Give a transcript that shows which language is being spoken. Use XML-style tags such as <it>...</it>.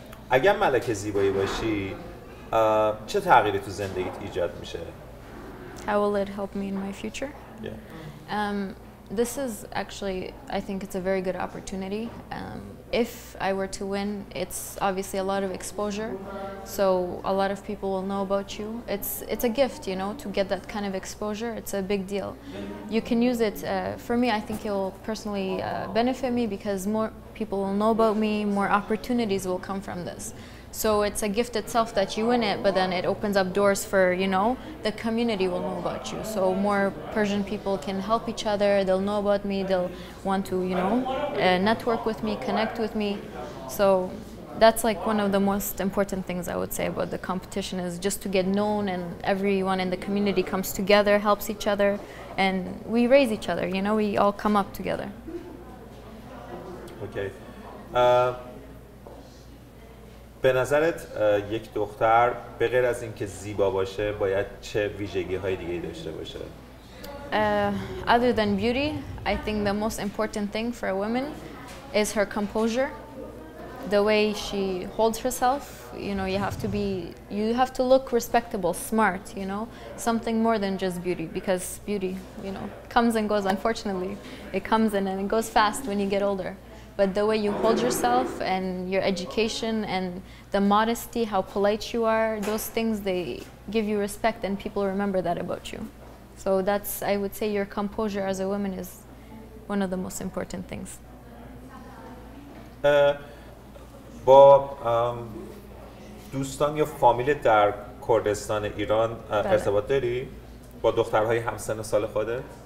<fa>اگر ملکه زیبایی باشی چه تغییری تو زندگیت ایجاد میشه؟</fa> <en>How will it help me in my future? Yeah. This is actually, I think it's a very good opportunity. If I were to win, it's obviously a lot of exposure. So a lot of people will know about you. It's a gift, you know, to get that kind of exposure. It's a big deal. You can use it, for me, I think it will personally benefit me because more people will know about me, more opportunities will come from this. So it's a gift itself that you win it, but then it opens up doors for, you know, the community will know about you. So more Persian people can help each other, they'll know about me, they'll want to, you know, network with me, connect with me. So that's like one of the most important things I would say about the competition, is just to get known, and everyone in the community comes together, helps each other, and we raise each other, you know, we all come up together. Okay.</en> <fa>به نظرت یک دختر به غیر از اینکه زیبا باشه باید چه ویژگی‌های دیگه‌ای داشته باشه؟</fa> <en>Other than beauty, I think the most important thing for a woman is her composure. The way she holds herself, you know, you have to look respectable, smart, you know, something more than just beauty, because beauty, you know, comes and goes, unfortunately. It comes in and it goes fast when you get older. But the way you hold yourself and your education and the modesty, how polite you are, those things, they give you respect and people remember that about you. So that's, I would say, your composure as a woman is one of the most important things.</en> <fa>با دوستان یا فامیل در کردستان ایران ارتباط داری؟ با دخترهای همسن و سال خودت؟</fa>